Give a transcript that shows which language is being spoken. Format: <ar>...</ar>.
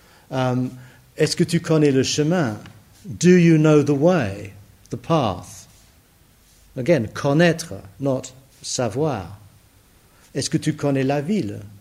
<fr>Est-ce que tu connais le chemin?</fr> <en>Do you know the way, the path? Again, connaître, not savoir.</en> <fr>Est-ce que tu connais la ville?</fr>